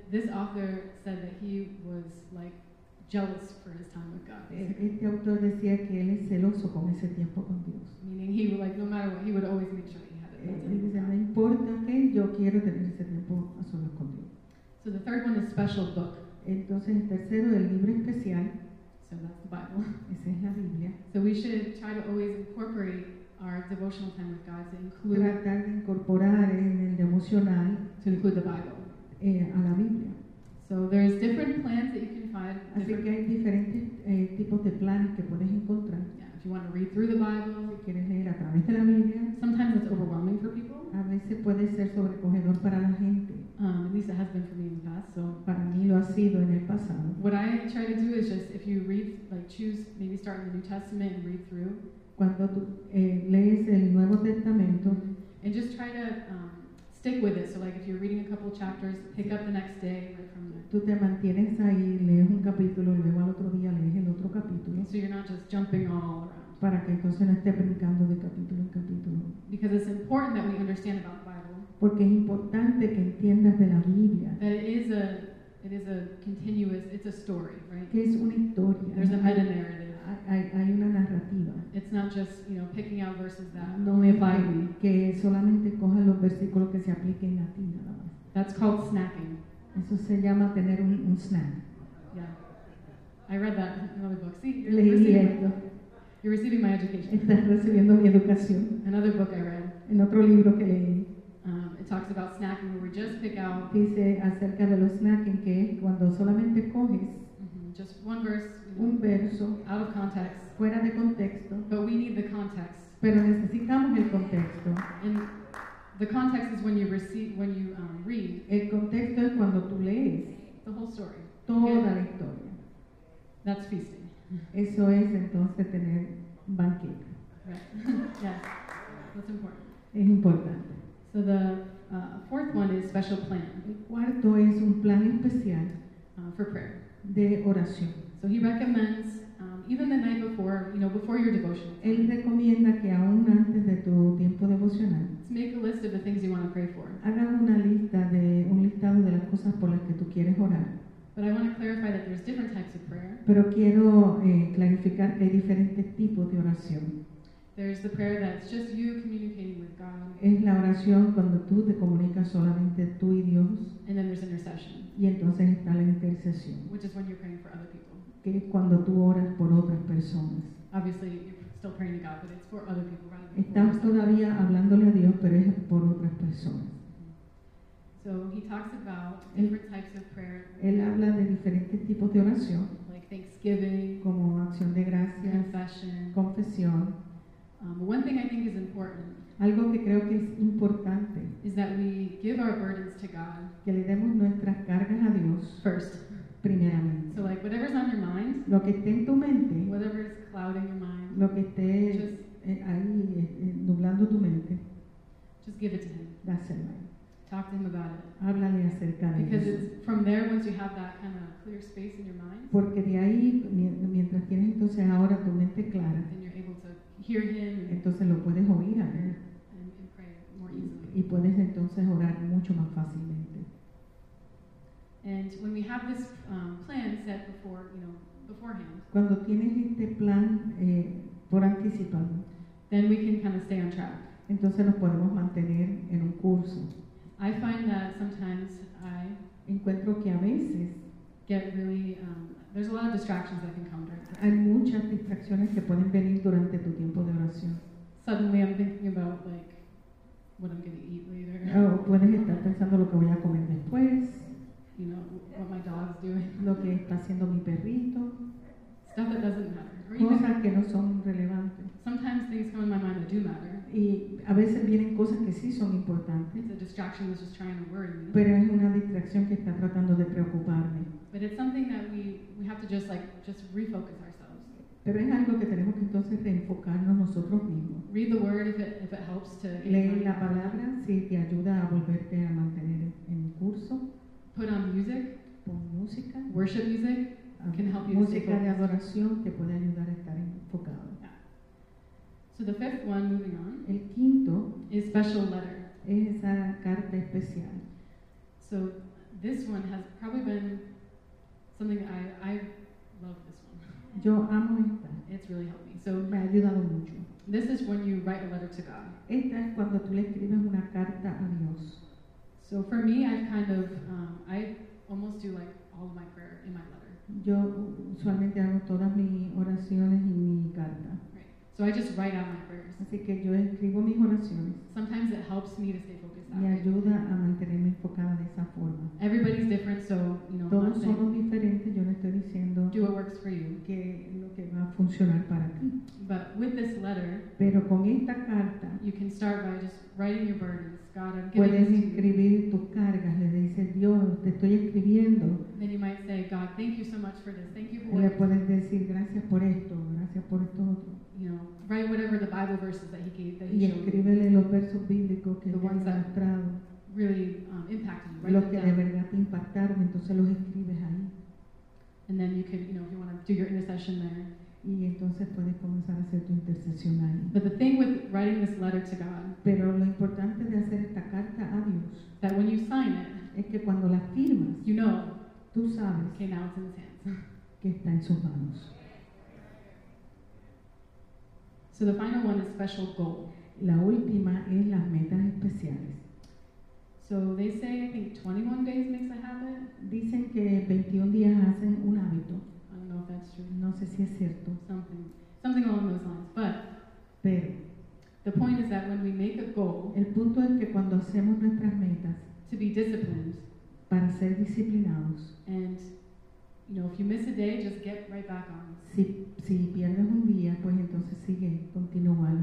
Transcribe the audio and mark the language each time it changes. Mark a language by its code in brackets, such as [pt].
[en] This author said that he was like jealous for his time with God. [es] Este autor decía que él es celoso con ese tiempo con Dios. [en] Meaning he would, like, no matter what, he would always make sure he had it. [es] Él dice, no importa qué, yo quiero tener ese tiempo a solas con Dios. [en] So the third one is special book. [es] Entonces el tercero, el libro especial. [en] So that's the Bible. [es] Esa es la Biblia. [en] So we should try to always incorporate our devotional time with God to include. [es] Tratar de incorporar en el devocional. [en] To include the Bible. [es] A la Biblia. [en] So there's different plans that you can find. [es] Así que hay diferentes tipos de planes que puedes encontrar. [en] Yeah, if you want to read through the Bible. [es] Si quieres leer a través de la Biblia. [en] Sometimes it's overwhelming for people. [es] A veces puede ser sobrecogedor para la gente. [en] At least it has been for me in the past. So [es] para mí lo ha sido en el pasado. [en] What I try to do is just if you read, like, choose maybe start in the New Testament and read through. [es] Cuando tú lees el Nuevo Testamento. [en] And just try to stick with it. So, like, if you're reading a couple chapters, pick up the next day right from there. [es] Tú te mantienes ahí, lees un capítulo, luego al otro día lees el otro capítulo. [en] So you're not just jumping all around. [es] Para que entonces no estés brincando de capítulo en capítulo. [en] Because it's important that we understand about the Bible. [es] Porque es importante que entiendas de la Biblia. [en] That it is a continuous. It's a story, right? [es] Que es una historia. [en] There's a meta narrative. [es] Hay una narrativa. [en] It's not just, you know, picking out verses that [es] no [en] apply to me. [es] Que solamente coja los versículos que se apliquen a ti, nada más. [en] That's called snacking. [es] Eso se llama tener un snack. [en] Yeah. I read that in another book. See, you're receiving my education. [es] Estás recibiendo mi educación. [en] Another book I read. [es] En otro libro que leí. [en] It talks about snacking where we just pick out. [es] Dice acerca de los snacking que cuando solamente coges. [en] Just one verse, [es] un verso, [en] out of context, [es] fuera de contexto, [en] but we need the context. [es] Pero necesitamos el contexto. [en] And the context is when you receive, when you read. [es] El contexto es cuando tú lees. [en] The whole story. [es] Toda la historia. [en] That's feasting. [es] Eso es entonces tener banquete. [en] Right. Yes. That's important. [es] Es importante. [en] So the fourth one is special plan. [es] El cuarto es un plan especial [en] for prayer. [es] De oración. [en] So he recommends even the night before, you know, before your devotional. [es] Él recomienda que aún antes de tu tiempo devocional, [en] make a list of the things you want to pray for. [es] Haga una lista de un listado de las cosas por las que tú quieres orar. [en] But I want to clarify that there's different types of prayer. [es] Pero quiero clarificar que hay diferentes tipos de oración. [en] There's the prayer that's just you communicating with God. [es] Es la oración cuando tú te comunicas solamente tú y Dios. [en] And then there's intercession. [es] Y entonces está la intercesión. [en] Which is when you're praying for other people. [es] Que es cuando tú oras por otras personas. [en] Obviously, you're still praying to God, but it's for other people rather than [es] estamos [en] for [es] todavía hablándole a Dios, pero es por otras personas. [en] So he talks about different types of prayer. [es] Él habla de diferentes tipos de oración. [en] Like thanksgiving. [es] Como acción de gracia. [en] Confession. [es] Confesión. [en] One thing I think is important. [es] Algo que creo que es importante. [en] Is that we give our burdens to God. [es] Que le demos nuestras cargas a Dios. [en] First. [es] Primeramente. [en] So like whatever's on your mind. [es] Lo que esté en tu mente. [en] Whatever's clouding your mind. [es] Lo que esté [en] just, [es] ahí nublando tu mente. [en] Just give it to him. [es] Dáselo. [en] Talk to him about it. [es] Háblale acerca de [en] because [es] eso. [en] It's from there once you have that kind of clear space in your mind. [es] Porque de ahí mientras tienes entonces ahora tu mente clara. [en] Then you're able to hear him. [es] Entonces lo puedes oír a él. [en] And pray more easily. [es] Y puedes entonces orar mucho más fácilmente. [en] And when we have this plan set before, you know, beforehand. [es] Cuando tienes este plan por anticipado. [en] Then we can kind of stay on track. [es] Entonces nos podemos mantener en un curso. [en] I find that sometimes I [es] encuentro que a veces [en] get really there's a lot of distractions that can come during. [es] Hay muchas distracciones que pueden venir durante tu tiempo de oración. [en] Suddenly I'm thinking about like what I'm going to eat later. [es] Oh, puedes estar pensando lo que voy a comer después. [en] You know what my dog's doing. [es] Lo que está haciendo mi perrito. [en] Stuff that doesn't matter. [es] Cosas que no son relevantes. [en] Sometimes things come in my mind that do matter. [es] Y a veces vienen cosas que sí son importantes. [en] It's a distraction that's just trying to worry me. [es] Pero es una distracción que está tratando de preocuparme. [en] But it's something that we have to just like just refocus ourselves. [es] Pero es algo que tenemos que entonces reenfocarnos nosotros mismos. [en] Read the word if it helps to. [es] Leer la palabra si te ayuda a volverte a mantener en curso. [en] Put on music. [es] Pon música. [en] Worship music can help you. [es] Música de adoración te puede ayudar a estar enfocado. [en] So the fifth one, moving on, [es] el quinto [en] is special letter. [es] Es esa carta especial. [en] So this one has probably been something I love this one. [es] Yo amo esta. [en] It's really helped me. So [es] me ha ayudado mucho. [en] This is when you write a letter to God. [es] Esta es cuando tú le escribes una carta a Dios. [en] So for me, I kind of, I almost do like all of my prayer in my letter. [es] Yo usualmente hago todas mis oraciones y mi carta. [en] So I just write out my prayers. [es] Así que yo escribo mis oraciones. [en] Sometimes it helps me to stay focused. [es] Me ayuda a mantenerme enfocada de esa forma. [en] Everybody's different, so you know. [es] Todos somos diferentes. Yo no estoy diciendo. [en] Do what works for you. [es] Que lo que va a funcionar para ti. [en] But with this letter. [es] Pero con esta carta. [en] You can start by just writing your burdens. God, I'm giving this [es] Puedes escribir tus cargas. Le dices, Dios, te estoy escribiendo. [en] Then you might say, God, thank you so much for this. Thank you for. [es] Le puedes decir gracias por esto, gracias por esto otro. [en] You know, write whatever the Bible verses that he gave, that he [es] y [en] showed. [es] Y escríbele los versos bíblicos que [en] the ones that [es] mostrado. [en] Really impacted you. Write [es] los que de verdad te impactaron, entonces los escribes ahí. [en] And then you can, you know, if you want to do your intercession there. [es] Y entonces puedes comenzar a hacer tu intercesión ahí. [en] But the thing with writing this letter to God. [es] Pero lo importante de hacer esta carta a Dios. [en] That when you sign it. [es] Es que cuando la firmas. [en] You know. [es] Tú sabes. [en] Okay, now it's in his hands. [es] Que está en sus manos. [en] So the final one is special goal. [es] La última es las metas especiales. [en] So they say, I think 21 days makes a habit. [es] Dicen que 21 días hacen un hábito. [en] I don't know if that's true. [es] No sé si es cierto. [en] Something along those lines. But [es] pero, [en] the point is that when we make a goal, [es] el punto es que cuando hacemos nuestras metas, [en] to be disciplined, [es] para ser disciplinados, [en] and you know, if you miss a day, just get right back on. [es] Si pierdes un día, pues entonces sigue, continúa.